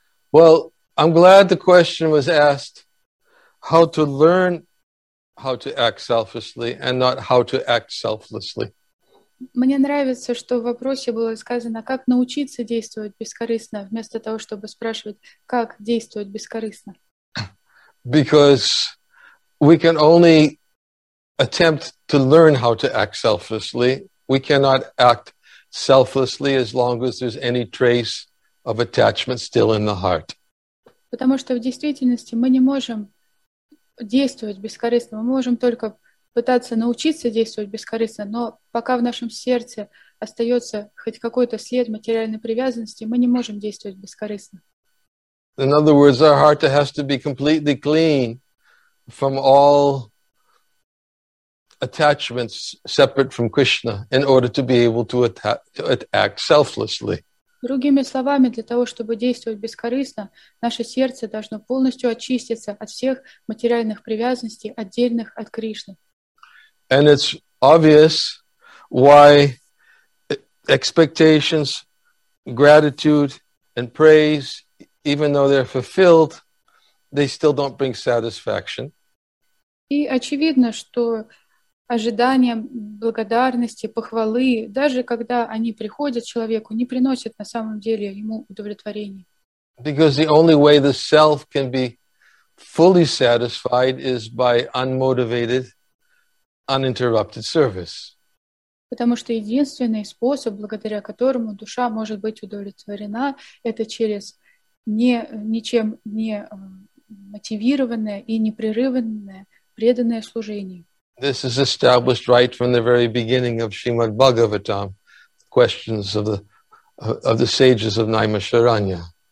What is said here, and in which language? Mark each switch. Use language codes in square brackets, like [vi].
[en] Well, I'm glad the question was asked how to learn how to act selflessly and not how to act selflessly. [ru] Мне нравится, что в вопросе было сказано, как научиться действовать бескорыстно, вместо того, чтобы спрашивать, как действовать бескорыстно. [en] Because we can only attempt to learn how to act selflessly. We cannot act selflessly as long as there's any trace of attachment still in the heart. [ru] Потому что в действительности мы не можем действовать бескорыстно, мы можем только пытаться научиться действовать бескорыстно, но пока в нашем сердце остается хоть какой-то след материальной привязанности, мы не можем действовать бескорыстно. [en] In other words, our heart has to be completely clean from all attachments separate from Krishna in order to be able to act selflessly. [ru] Другими словами, для того, чтобы действовать бескорыстно, наше сердце должно полностью очиститься от всех материальных привязанностей, отдельных от Кришны. [en] And it's obvious why expectations, gratitude, and praise, even though they're fulfilled, they still don't bring satisfaction. [ru] И очевидно, что ожидания, благодарности, похвалы, даже когда они приходят человеку, не приносят на самом деле ему удовлетворения. [en] Because the only way the self can be fully satisfied is by unmotivated, uninterrupted service. [ru] Потому что единственный способ, благодаря которому душа может быть удовлетворена, это через ничем не мотивированное и непрерывное преданное служение. [en] This is established right from the very beginning of Srimad Bhagavatam, the questions of the sages of Naimasharanya.